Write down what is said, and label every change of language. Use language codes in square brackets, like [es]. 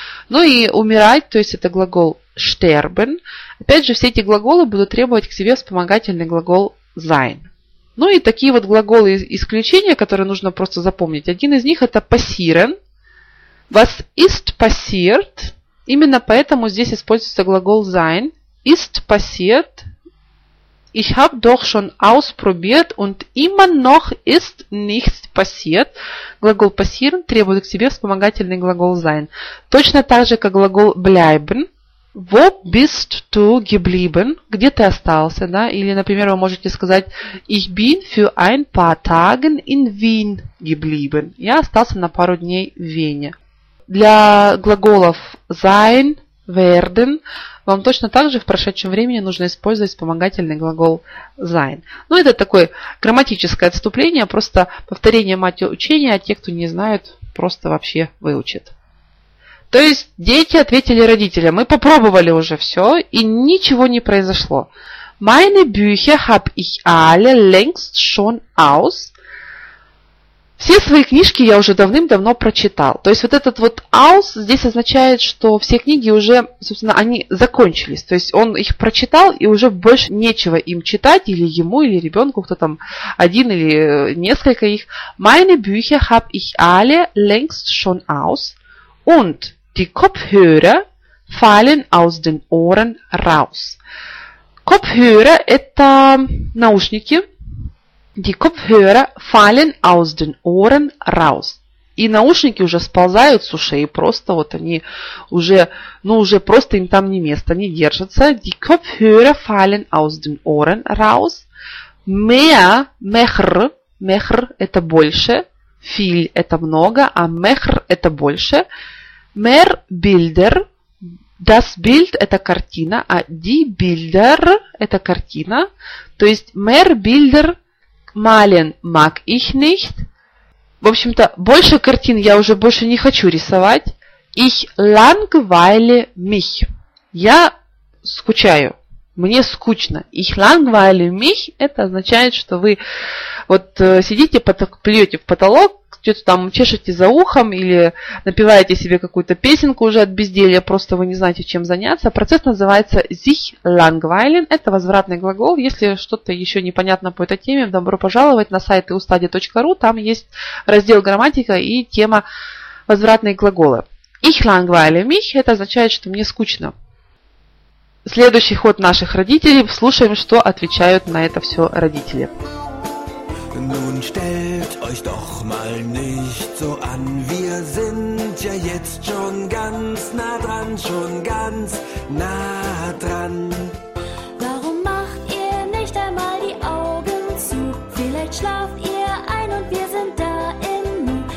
[ru] Ну и умирать, то есть это глагол sterben. Опять же, все эти глаголы будут требовать к себе вспомогательный глагол sein. Ну и такие вот глаголы исключения, которые нужно просто запомнить. Один из них это passieren. [de] Was ist passiert? [ru] Именно поэтому здесь используется глагол sein. [de] Ist passiert. Ich habe doch schon ausprobiert und immer noch ist nichts passiert. [ru] Глагол passieren требует к себе вспомогательный глагол sein. Точно так же, как глагол bleiben. [de] Wo bist du geblieben? [ru] Где ты остался? Да? Или, например, вы можете сказать [de] Ich bin für ein paar Tage in Wien geblieben. [ru] Я остался на пару дней в Вене. Для глаголов sein, werden вам точно так же в прошедшем времени нужно использовать вспомогательный глагол sein. Ну, это такое грамматическое отступление, просто повторение мать учения, а те, кто не знают, просто вообще выучат. То есть, дети ответили родителям, мы попробовали уже все, и ничего не произошло. [de] Meine Bücher habe ich alle längst schon aus. [ru] Все свои книжки я уже давным-давно прочитал. То есть вот этот вот aus здесь означает, что все книги уже, собственно, они закончились. То есть он их прочитал, и уже больше нечего им читать, или ему, или ребенку, кто там один или несколько их. [de] Meine Bücher habe ich alle längst schon aus. Und die Kopfhörer fallen aus den Ohren raus. [ru] Kopfhörer – это наушники. [de] Die Kopfhörer fallen aus den Ohren raus. [ru] И наушники уже сползают с ушей, просто вот они уже, ну уже просто им там не место, они держатся. [de] Die Kopfhörer fallen aus den Ohren raus. Mehr, mehr, mehr – [ru] это больше. Viel – это много, а mehr – это больше. Mehr Bilder – das Bild – это картина, а die Bilder – это картина. То есть [de] mehr Bilder – Malen mag ich nicht. [ru] В общем-то, больше картин я уже больше не хочу рисовать. [de] Ich langweile mich. [ru] Я скучаю. Мне скучно. [de] Ich langweile mich. [ru] Это означает, что вы вот сидите, плюете в потолок, что-то там чешете за ухом или напеваете себе какую-то песенку уже от безделья, просто вы не знаете, чем заняться. Процесс называется sich langweilen. Это возвратный глагол. Если что-то еще непонятно по этой теме, добро пожаловать на сайт eustudy.ru. Там есть раздел грамматика и тема возвратные глаголы. [de] Ich langweile mich. [ru] Это означает, что мне скучно. Следующий ход наших родителей. Слушаем, что отвечают на это все родители. [de] Nun stellt euch doch mal nicht so an, wir sind ja jetzt schon ganz nah dran. Warum macht ihr nicht einmal die Augen zu? Vielleicht schlaft ihr ein und wir sind da im Nu.